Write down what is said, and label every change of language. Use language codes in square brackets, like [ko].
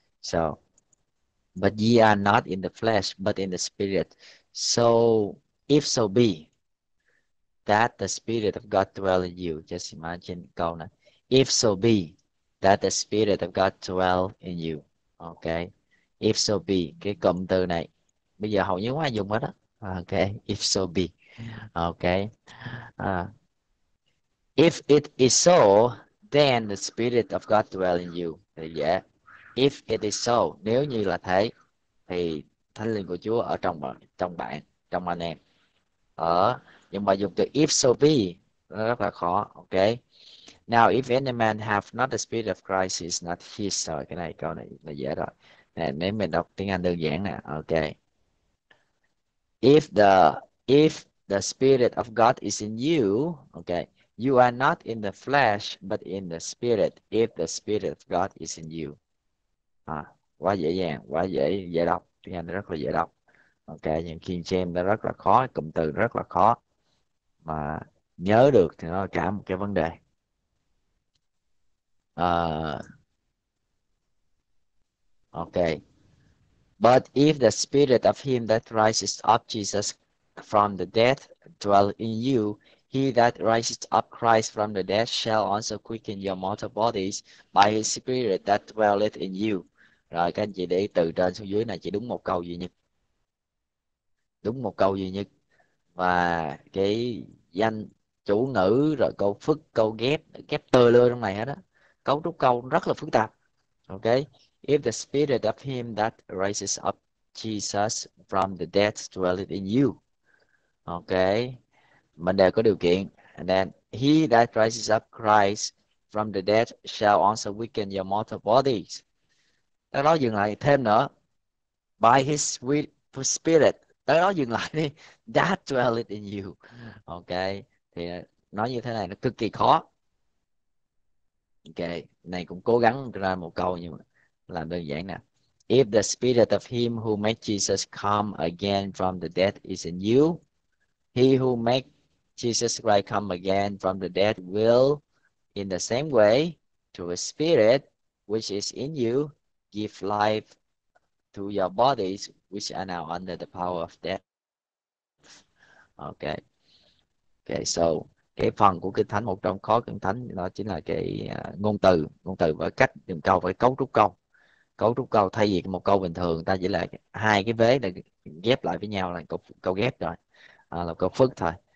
[en] So, but ye are not in the flesh, but in the spirit. So, if so be that the spirit of God dwell in you, just imagine, [vi] câu này. [en] If so be that the spirit of God dwell in you. Okay. If so be, [vi] cái cụm từ này, bây giờ hầu như không ai dùng hết á. [en] Okay. If so be. Okay. If it is so, then the spirit of God dwell in you. Yeah. If it is so, [vi] nếu như là thế, thì Thánh Linh của Chúa ở trong bạn, trong anh em. Nhưng mà dùng từ [en] if so be, [vi] nó rất là khó. [en] Ok. Now, if any man have not the spirit of Christ, he is not his. [vi] Rồi, cái này, câu này là dễ rồi. Nè, nếu mình đọc tiếng Anh đơn giản nè. [en] Ok. If the spirit of God is in you, ok. You are not in the flesh, but in the spirit, if the spirit of God is in you. [vi] Quá dễ dàng, quá dễ dễ đọc. Tiếng Anh rất là dễ đọc. Ok, nhưng King James nó rất là khó, cụm từ rất là khó. Mà nhớ được thì nó là cả một cái vấn đề. [en] Ok. But if the spirit of him that rises up Jesus from the dead dwell in you, he that raised up Christ from the dead shall also quicken your mortal bodies by his spirit that dwelleth in you. [vi] Rồi các anh chị để từ trên xuống dưới này chỉ đúng một câu duy nhất. Đúng một câu duy nhất. Và cái danh chủ ngữ rồi câu phức, câu ghép, ghép tơ lơ trong này hết á. Cấu trúc câu rất là phức tạp. [en] Ok. If the spirit of him that raises up Jesus from the dead dwelleth in you. Ok. [vi] Mình đều có điều kiện. [en] And then, he that raises up Christ from the dead shall also weaken your mortal bodies. [vi] Đó, đó dừng lại thêm nữa. [en] By his spirit. [vi] Tới đó dừng lại đi. [en] That dwelleth in you. Ok. [vi] Thì nói như thế này nó cực kỳ khó. Ok. Này cũng cố gắng ra một câu nhưng mà làm đơn giản nè. [en] If the spirit of him who made Jesus come again from the dead is in you, he who made Jesus Christ come again from the dead will, in the same way, through a spirit which is in you, give life to your bodies which are now under the power of death. Ok. [vi] So cái phần của Kinh Thánh, một trong khó Kinh Thánh đó chính là cái ngôn từ với cách dùng câu, với cấu trúc câu. Thay vì một câu bình thường ta chỉ là hai cái vế để ghép lại với nhau là câu câu ghép rồi, là câu phức thôi.